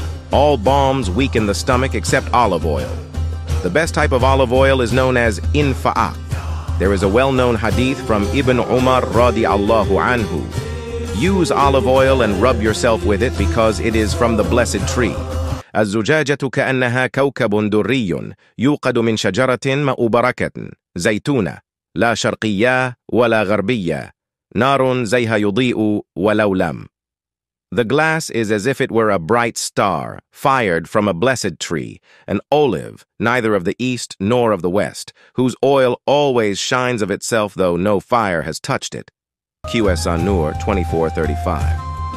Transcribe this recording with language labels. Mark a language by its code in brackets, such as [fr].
[en] All balms weaken the stomach except olive oil. The best type of olive oil is known as infa'aq. There is a well-known hadith from Ibn Umar radiallahu anhu. Use olive oil and rub yourself with it because it is from the blessed tree. [ar] الزجاجة كأنها كوكب دري يوقد من شجرة مأبركة زيتونة لا شرقية ولا غربية نار زيها يضيء ولو لم. [en] The glass is as if it were a bright star, fired from a blessed tree, an olive, neither of the east nor of the west, whose oil always shines of itself though no fire has touched it. QS An-Nur 2435.